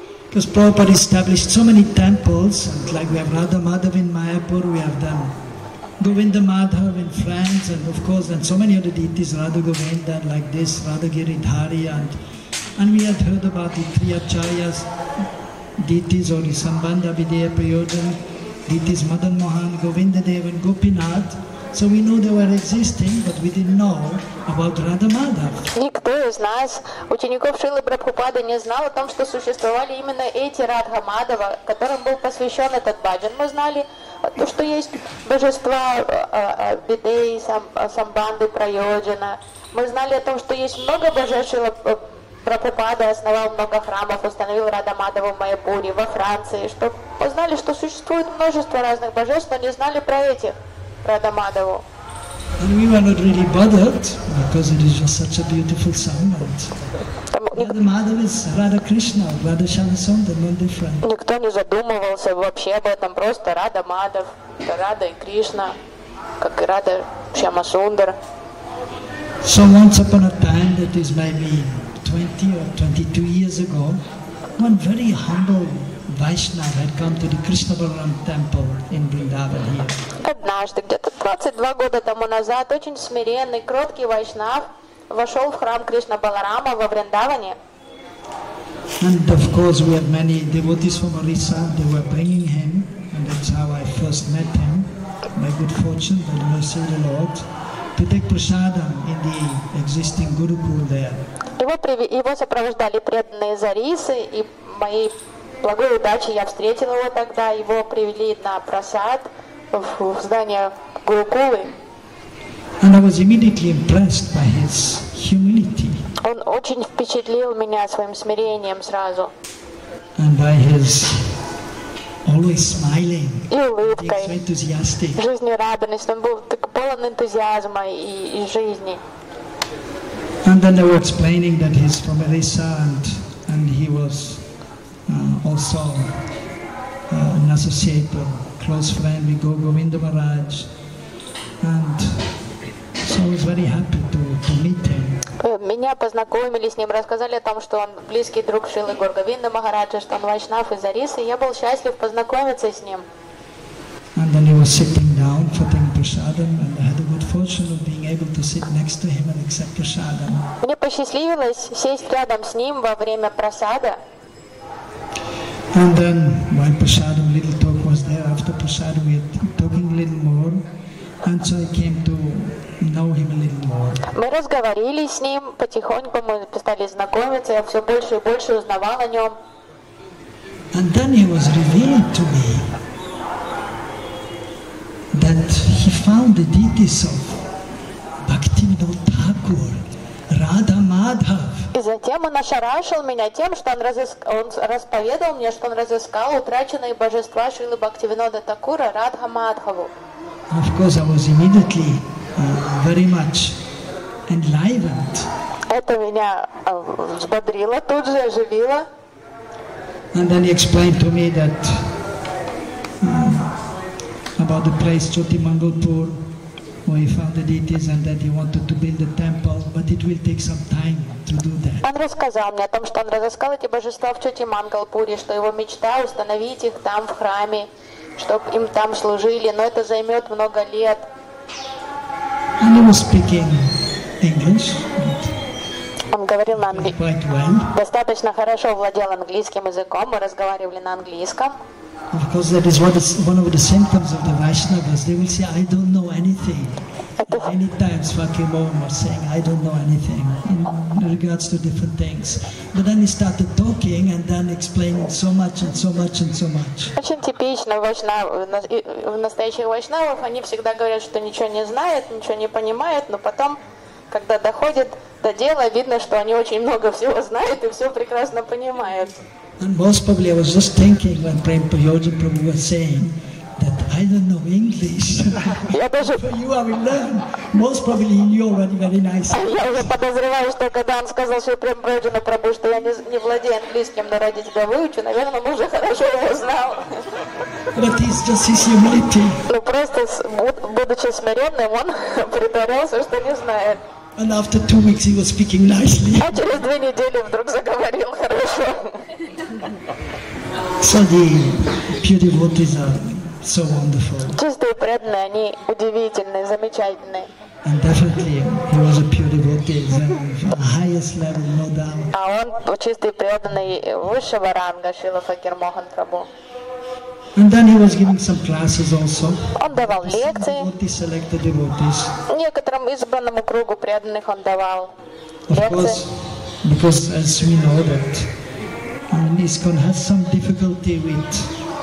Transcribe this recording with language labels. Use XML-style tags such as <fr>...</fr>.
<en>Because Prabhupada established so many temples, and like we have Radha Madhava in Mayapur, we have them. Govinda Madhav in France, and of course, and so many other deities, Radha Govinda, like this, Radha Giridhari, and we had heard about the three acharyas deities, or the Sambandha Videya Prayodhan deities, Madan Mohan, Govinda Dev, and Gopinath. So we knew they were existing, but we didn't know about Radha Madhav.</en> <ru>Никто из нас, учеников Шрилы Прабхупады, не знал о том, что существовали именно эти Радха Мадхава, которым был посвящен этот баджан. Мы знали то, что есть божества Бидеи, Самбанды, Прайоджана. Мы знали о том, что есть много божеств. Шрила Прабхупада основал много храмов, установил Радха Мадхава в Майяпуре, во Франции. Что мы знали, что существует множество разных божеств, но не знали про этих Радха Мадхаву.</ru> <en>And we were not really bothered because it is just such a beautiful song. And Radha Madhava is Radha Krishna, Radha Shyamasundar, no different.</en> <ru>Никто не задумывался вообще об этом, просто Радха Мадхав, Радха и Кришна, как и Радха Шьямасундар.</ru> <en>So once upon a time, that is maybe 20 or 22 years ago, one very humble Vaishnava had come to the Krishna Balaram temple in Vrindavan here.</en> <ru>Однажды, где-то 22 года тому назад, очень смиренный, кроткий Вайшнав вошел в храм Кришна Баларама во Вриндаване.</ru> <en>And of course, we had many devotees from Orissa. They were bringing him, and that's how I first met him. By good fortune, by the mercy of the Lord, to take prasadam in the existing Gurukul there.</en> <ru>Его сопровождали преданные из Орисы, и моей благой удачей я встретил его тогда. Его привели на прасад в здание Гурукулы.</ru> <en>And I was immediately impressed by his humility.</en> <ru>Он очень впечатлил меня своим смирением сразу.</ru> <en>And by his always smiling.</en> <ru>И улыбкой.</ru> <en>So enthusiastic.</en> <ru>Жизнерадостность. Он был так полон энтузиазма и жизни.</ru> <en>And then they were explaining that he's from Orissa and he was also an associate, a close friend with Guru Govinda Maharaj. And so I was very happy to meet him.</en> <ru>Меня познакомили с ним, рассказали о том, что он близкий друг Шрилы Гургавинды Махараджа, что он вайшнав из Орисы, и я был счастлив познакомиться с ним.</ru> <en>And then he was sitting down for taking prasadam, and I had the good fortune of being able to sit next to him and accept prasadam.</en> <ru>Мне посчастливилось сесть рядом с ним во время прасада.</ru> <en>And then while prasadam little talk was there, after prasadam we were talking a little more, and so I came to know him a little more.</en> <ru>Мы разговаривали с ним потихоньку, мы стали знакомиться, я все больше и больше узнавал о нем.</ru> <en>And then he was revealed to me that he found the deities of Bhaktivinoda Thakur, Radha Madhav.</en> <ru>И затем он ошарашил меня тем, что он расповедал мне, что он разыскал утраченные божества Шрилы Бхактивинода Такура Радха Мадхаву.</ru> <en>Of course, I was immediately very much enlivened.</en> <ru>Это меня взбодрило, тут же оживило.</ru> <en>And then he explained to me that about the place Jyoti Mangalpur, where he found the deities, and that he wanted to build a temple, but it will take some time to do that.</en> <ru>Он рассказал мне о том, что он разыскал эти божества в Чоти Мангалпуре, что его мечта установить их там в храме, чтобы им там служили, но это займет много лет.</ru> <en>And he was speaking English.</en> <ru>Он говорил на английском. Well. Достаточно хорошо владел английским языком. Мы разговаривали на английском.</ru> <en>Of course, that is one of the symptoms of the Vaishnavas. They will say, "I don't know anything." Many times, Vakimon was saying, "I don't know anything" in regards to different things. But then he started talking and then explained so much and so much and so much.</en> <ru>Очень типично в настоящих Вайшнавах они всегда говорят, что ничего не знают, ничего не понимают, но потом, когда доходит до дела, видно, что они очень много всего знают и все прекрасно понимают.</ru> <en>And most probably I was just thinking when Prem Pahyojan Prabhu was saying that I don't know English. For you I will learn. Most probably he knew already very nice.</en> <ru>Я уже подозреваю, что когда он сказал своему Прем Пахьоджану Прабху, что я не владею английским, но ради тебя выучу, наверное, мы уже хорошо его знал.</ru> <en>But he's just his humility.</en> <ru>Ну просто будучи смиренным, он притворялся, что не знает.</ru> <en>And after 2 weeks he was speaking nicely.</en> <ru>А через две недели вдруг заговорил хорошо.</ru> <en>So the pure devotees are so wonderful.</en> <ru>Чистые преданные, они удивительные, замечательные.</ru> <en>And definitely he was a pure devotee, the highest level, no doubt.</en> <ru>А он чистый преданный высшего ранга Шрила Факир Мохан Прабху.</ru> <en>And then he was giving some classes also.</en> <ru>Он давал лекции.</ru> <en>Selected devotees.</en> <ru>Некоторым избранному кругу преданных он давал лекции.</ru> <en>Of course, because as we know that, and ISKCON has some difficulty with</en>